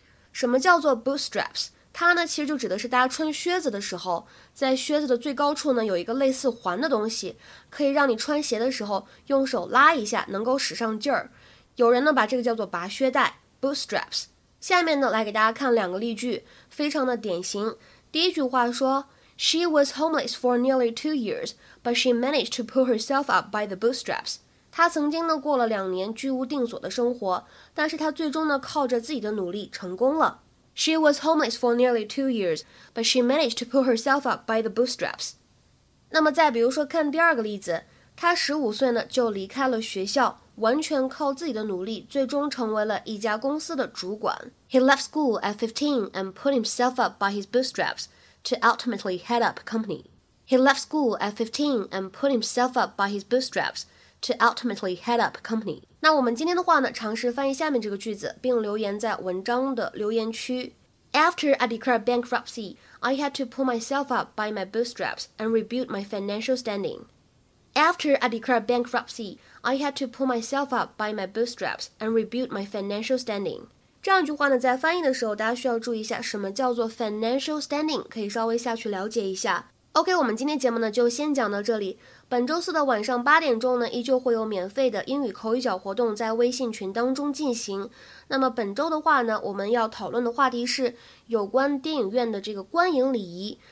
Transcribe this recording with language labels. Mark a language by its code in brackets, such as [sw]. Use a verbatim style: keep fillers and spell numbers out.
[zh] 什么叫做 bootstraps？ 它呢其实就指的是大家穿靴子的时候，在靴子的最高处呢有一个类似环的东西，可以让你穿鞋的时候用手拉一下能够使上劲儿。有人呢把这个叫做拔靴带 bootstraps。下面呢来给大家看两个例句，非常的典型。第一句话说 [en] She was homeless for nearly two years, but she managed to pull herself up by the bootstraps. [zh] 她曾经呢过了两年居无定所的生活，但是她最终呢靠着自己的努力成功了。 [en] She was homeless for nearly two years, but she managed to pull herself up by the bootstraps. [zh] 那么再比如说看第二个例子，她十五岁呢就离开了学校，完全靠自己的努力，最终成为了一家公司的主管。 [en] He left school at fifteen and pulled himself up by his bootstraps. To ultimately head up a company. He left school at fifteen and put himself up by his bootstraps to ultimately head up a company. [zh] 那我们今天的话呢，尝试翻译下面这个句子，并留言在文章的留言区。 [en] After I declared bankruptcy, I had to pull myself up by my bootstraps and rebuild my financial standing. After I declared bankruptcy, I had to pull myself up by my bootstraps and rebuild my financial standing. [zh] 这样一句话呢在翻译的时候大家需要注意一下什么叫做 financial standing， 可以稍微下去了解一下。OK， 我们今天节目呢就先讲到这里，本周四的晚上八点钟呢，依旧会有免费的英语口语角活动在微信群当中进行。那么本周的话呢，我们要讨论的话题是有关电影院的这个观影礼仪。